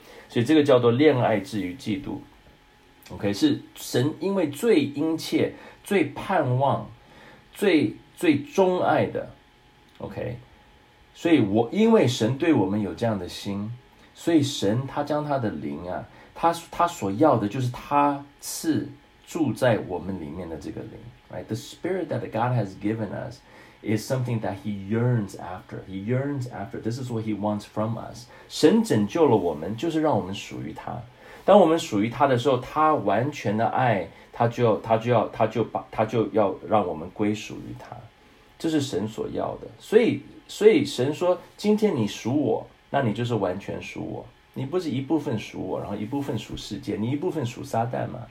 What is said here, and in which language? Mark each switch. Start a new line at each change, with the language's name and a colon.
Chinese: 所以这个叫做恋爱至于嫉妒。OK, 是神因为最殷切、最盼望、最钟爱的。 OK, 所以我因为神对我们有这样的心，所以神他将他的灵啊，他所要的就是他赐住在我们里面的这个灵。
English: Right? The spirit that God has given us is something that he yearns after. He yearns after. This is what he wants from us.
Chinese: 神拯救了我们就是让我们属于他。当我们属于他的时候，他完全的爱他就要让我们归属于他。这是神所要的，所以神说，今天你属我，那你就是完全属我，你不是一部分属我，然后一部分属世界，你一部分属撒旦吗？